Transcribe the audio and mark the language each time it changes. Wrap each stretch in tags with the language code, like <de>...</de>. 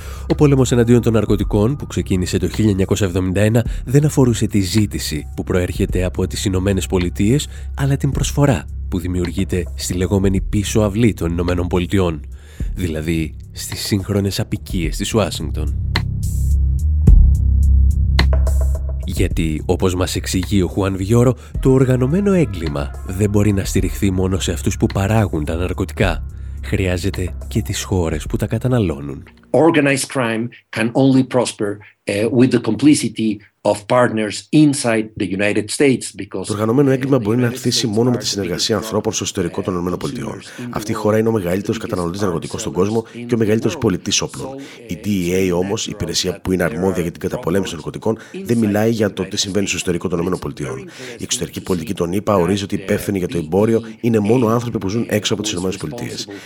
<el>Ο πόλεμος εναντίον των ναρκωτικών που ξεκίνησε το 1971 δεν αφορούσε τη ζήτηση που προέρχεται από τις Ηνωμένες Πολιτείες, αλλά την προσφορά που δημιουργείται στη λεγόμενη πίσω αυλή των Ηνωμένων Πολιτειών, δηλαδή στις σύγχρονες αποικίες της Ουάσιγκτον. Γιατί, όπως μας εξηγεί ο Χουάν Βιγιόρο, το οργανωμένο έγκλημα δεν μπορεί να στηριχθεί μόνο σε αυτούς που παράγουν τα ναρκωτικά. Χρειάζεται και τις χώρες που τα καταναλώνουν.</el> <en>Organized crime can only prosper with the complicity of partners inside the United States, because</en> <el>το οργανωμένο έγκλημα μπορεί να αρθίσει μόνο με τη συνεργασία ανθρώπων στο εσωτερικό των Ηνωμένων Πολιτειών. Αυτή η χώρα είναι ο μεγαλύτερος καταναλωτής ναρκωτικών στον κόσμο και ο μεγαλύτερος πολιτής όπλων. Η DEA όμως, η υπηρεσία που είναι αρμόδια για την καταπολέμηση των ναρκωτικών, δεν μιλάει για το τι συμβαίνει στο εσωτερικό των Ηνωμένων Πολιτειών. Η εξωτερική πολιτική των ΗΠΑ ορίζει ότι υπεύθυνοι για το εμπόριο είναι μόνο άνθρωποι που ζουν έξω από τις Ηνωμένες Πολιτείες.</el>